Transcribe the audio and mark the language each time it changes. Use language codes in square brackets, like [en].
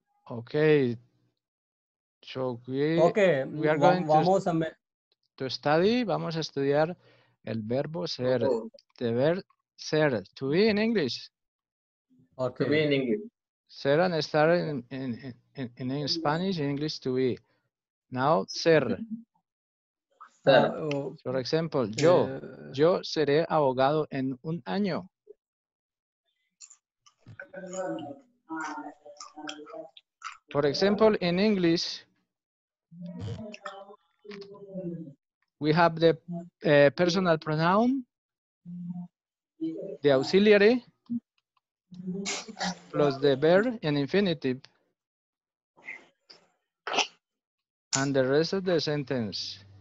[en] Okay. So we are going to study, [es] vamos a estudiar el verbo ser, [en] the verb ser, to be in English. Okay. To be in English. Ser and estar in Spanish, in English to be. Now, ser. For example, [es] yo seré abogado en un año. [en] For example, in English, we have the personal pronoun, the auxiliary, plus the verb in infinitive, and the rest of the sentence.